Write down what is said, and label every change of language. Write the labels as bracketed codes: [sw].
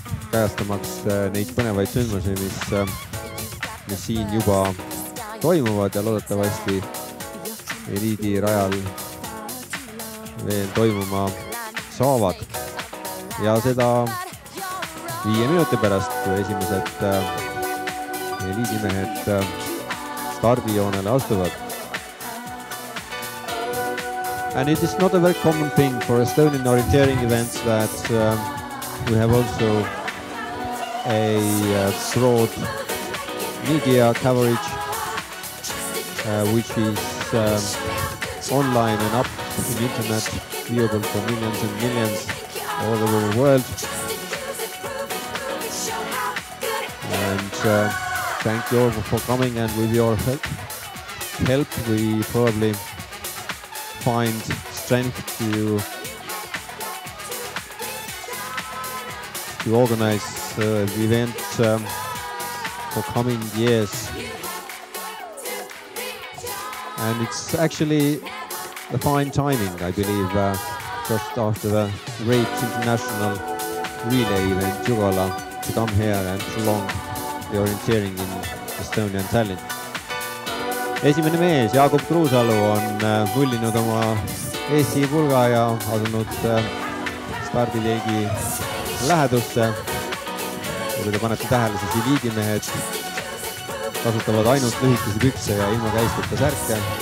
[et] kajastamaks neid põnevaid sündmusi, mis siin juba toimuvad ja loodetavasti eliidi rajal veel toimuma saavad. Ja seda 5 minuti pärast, kui esimesed eliidimehed stardijoonele astuvad. [en] And it is not a very common thing for Estonian orienteering events that we have also a broad media coverage which is online and up in internet, viewable for millions and millions all over the world. And thank you all for coming, and with your help we probably find strength to organize the event for coming years. And it's actually a fine timing, I believe, just after the great international relay event Jugala, to come here and prolong the orienteering in Estonian Tallinn. [et] Esimene mees, Jaagup Kruusalu, on hullinud oma Eesti pulga ja asunud stardileegi lähedusse. Kui te panete tähele, siis eliidimehed kasutavad ainult lühikese pükse ja ilma käisteta särke.